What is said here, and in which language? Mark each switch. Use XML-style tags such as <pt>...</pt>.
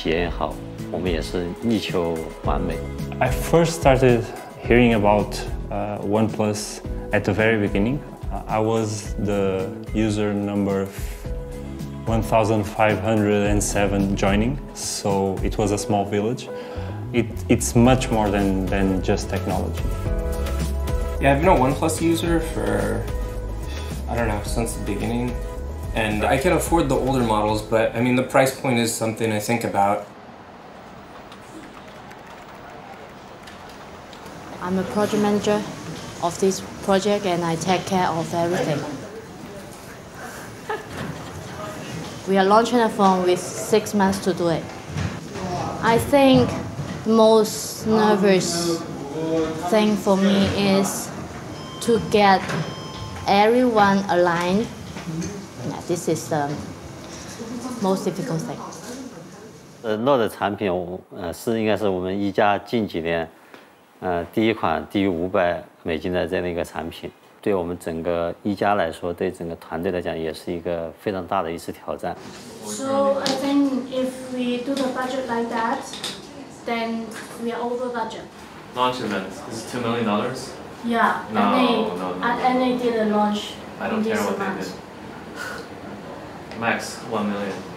<zh>再一次的挑战这个行业规则的这样一个不讲究的一个过程，我们无论是在产品的设计也好，还是它的用户体验也好，我们也是力求完美。</zh> <en>I first started hearing about OnePlus at the very beginning. I was the user number 1,507 joining, so it was a small village. It's much more than just technology. Yeah, I've been a OnePlus user for, I don't know, since the beginning. And I can afford the older models, but I mean, the price point is something I think about. I'm a project manager of this project and I take care of everything. We are launching a phone with 6 months to do it. I think the most nervous thing for me is to get everyone aligned. Yeah, this is the most difficult thing.</en> <zh>The Note 产品是应该是我们一家近几年 第一款低于$500的产品，对我们整个一家来说，对整个团队来讲，也是一个非常大的一次挑战。</zh> <en>So I think if we do the budget like that, then we are over budget. Launch event is $2 million. Yeah. No. And they didn't launch. I don't care what amount. They did. Max $1 million.</en>